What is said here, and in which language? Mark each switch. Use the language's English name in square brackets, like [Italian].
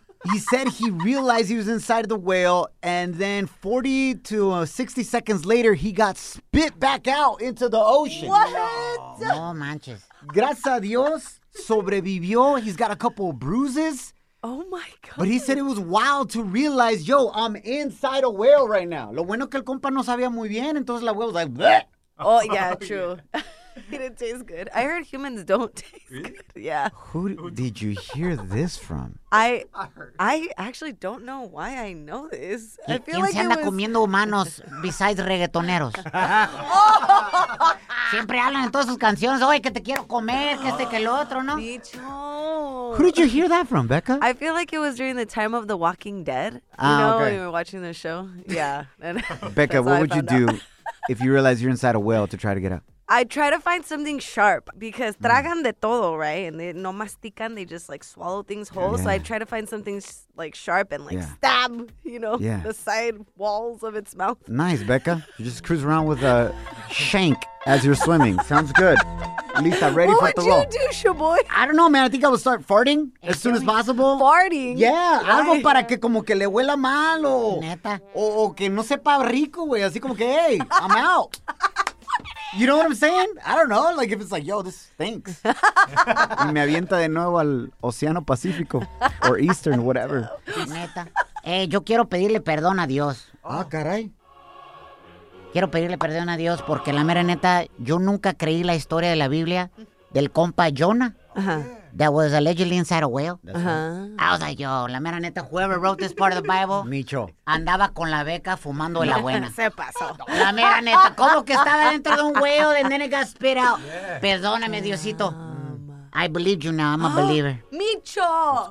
[English] He said he realized he was inside of the whale, and then 40 to 60 seconds later, he got spit back out into the ocean. What? [Spanish] No manches. Gracias a Dios, sobrevivió. [English] He's got a couple of bruises. Oh, my God. But he said it was wild to realize, yo, I'm inside a whale right now. [Spanish] Lo bueno que el compa no sabía muy bien, entonces la [English] whale was like, bleh. Oh, yeah, true. He didn't taste good. I heard humans don't taste really? Good. Yeah. Who did you hear this from? I actually don't know why I know this. I feel like [Spanish] ¿quién se anda comiendo humanos [English] besides [Spanish] reggaetoneros? Siempre hablan en todas sus canciones, oye, que te quiero comer, que este, que el otro, ¿no? [English] Who did you hear that from, Becca? I feel like it was during the time of The Walking Dead. You know, okay. When you were watching the show? Yeah. Becca, what would you do if you realize you're inside a whale to try to get out? I try to find something sharp because [Spanish] tragan de todo, [English] right? And they [Spanish] no mastican. [English] They just like swallow things whole. Yeah. So I try to find something like sharp and like stab, you know, the side walls of its mouth. Nice, Becca. You just cruise around with a shank as you're swimming. Sounds good. Lisa, ready what for the roll. What would you do, Shaboy? I don't know, man. I think I would start farting as soon as possible. Farting? Yeah. Why? [Spanish] Algo para que como que le huela mal o... Neta. O que no sepa rico, güey. Así como que, [English] hey, I'm out. You know what I'm saying? I don't know. Like, if it's like, yo, this stinks. [Spanish] Y me avienta de nuevo al Océano Pacífico. [English] Or Eastern, whatever. [Spanish] Neta. Yo quiero pedirle perdón a Dios. Ah, caray. Quiero pedirle perdón a Dios porque la mera neta, yo nunca creí la historia de la Biblia del compa Jonah. [English] Uh-huh. That was allegedly inside a whale. Uh-huh. I was like, yo, [Spanish] la mera neta, [English] whoever wrote this part of the Bible, Micho, [Spanish] andaba con la beca fumando de la buena. Se pasó. La mera neta, como que estaba dentro de un whale [English] and then it got spit out. Yeah. [Spanish] Perdóname, Diosito. [English] I believe you now. I'm a believer. Micho.